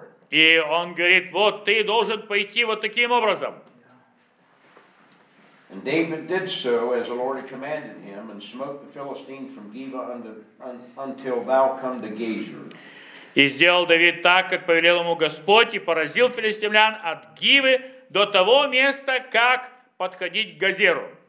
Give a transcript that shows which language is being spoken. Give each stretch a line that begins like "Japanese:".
Russian: И он говорит, вот ты должен пойти вот таким образом.
English: And David did so, as the Lord commanded him, and smote the Philistines from Geba until thou come to Gezer.
Russian: И сделал Давид так, как повелел ему Господь, и поразил филистимлян от Гивы до того места, как подходить к Газеру.